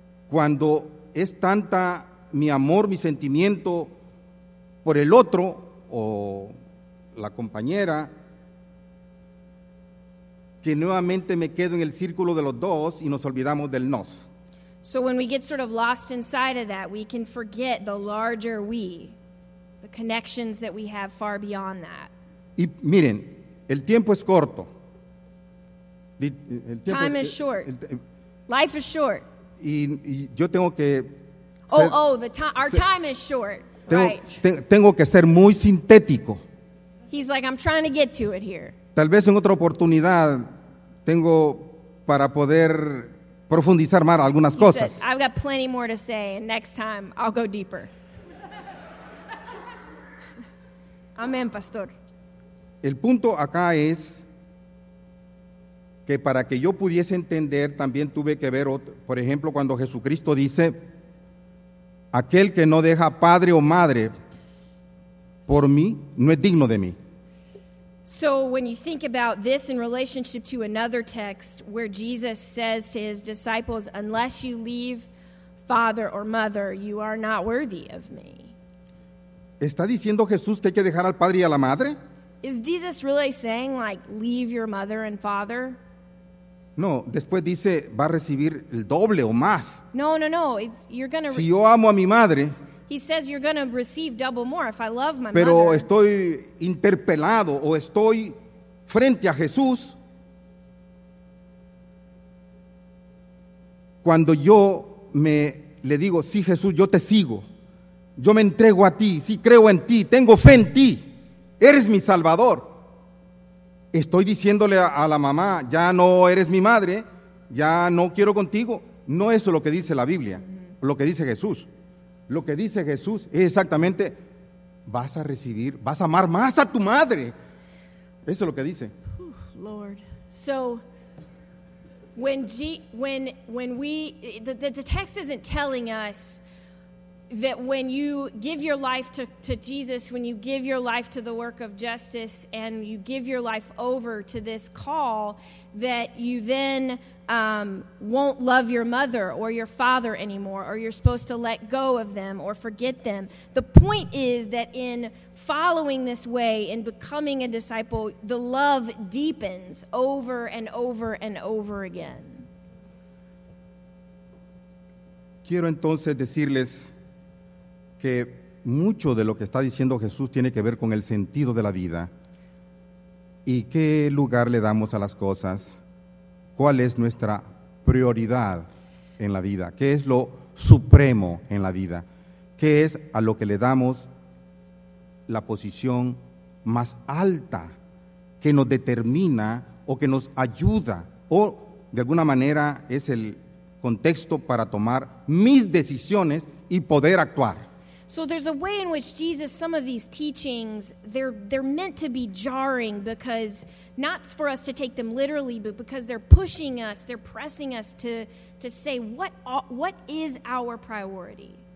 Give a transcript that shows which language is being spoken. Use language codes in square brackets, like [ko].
[es] Cuando es tanta mi amor, mi sentimiento por el otro o la compañera que nuevamente me quedo en el círculo de los dos y nos olvidamos del nos. [en] So when we get sort of lost inside of that, we can forget the larger we, the connections that we have far beyond that. [es] Y miren, el tiempo es corto. [en] Time is short. Life is short. [es] Y yo tengo que ser, [en] our time is short. [es] Tengo, [en] right. [es] Tengo que ser muy sintético. [en] He's like, I'm trying to get to it here. [es] Tal vez en otra oportunidad tengo para poder profundizar más algunas [en] he [es] cosas. [en] Said, I've got plenty more to say, and next time I'll go deeper. [es] Amén, pastor. El punto acá es que para que yo pudiese entender, también tuve que ver, por ejemplo, cuando Jesucristo dice, aquel que no deja padre o madre por mí, no es digno de mí. [en] So when you think about this in relationship to another text where Jesus says to his disciples, unless you leave father or mother, you are not worthy of me. [es] ¿Está diciendo Jesús que hay que dejar al padre y a la madre? [en] Is Jesus really saying, like, leave your mother and father? [es] No, después dice, va a recibir el doble o más. [en] No, it's, you're going to... [es] Si yo amo a mi madre... [en] He says you're going to receive double more if I love my [es] pero [en] mother. [es] Pero estoy interpelado o estoy frente a Jesús. cuando yo me le digo, sí, Jesús, yo te sigo, yo me entrego a ti, sí, creo en ti, tengo fe en ti, eres mi Salvador. Estoy diciéndole a la mamá, ya no eres mi madre, ya no quiero contigo. No es lo que dice la Biblia, lo que dice Jesús. Lo que dice Jesús es exactamente, vas a recibir, vas a amar más a tu madre. Eso es lo que dice. [en] Lord. So, when the text isn't telling us that when you give your life to Jesus, when you give your life to the work of justice, and you give your life over to this call, that you then won't love your mother or your father anymore, or you're supposed to let go of them or forget them. The point is that in following this way, in becoming a disciple, the love deepens over and over and over again. [es] Quiero entonces decirles que mucho de lo que está diciendo Jesús tiene que ver con el sentido de la vida y qué lugar le damos a las cosas, cuál es nuestra prioridad en la vida, qué es lo supremo en la vida, qué es a lo que le damos la posición más alta que nos determina o que nos ayuda o de alguna manera es el contexto para tomar mis decisiones y poder actuar. [en] So there's a way in which Jesus, some of these teachings, they're meant to be jarring because, not for us to take them literally, but because they're pushing us, they're pressing us to say, what is our priority?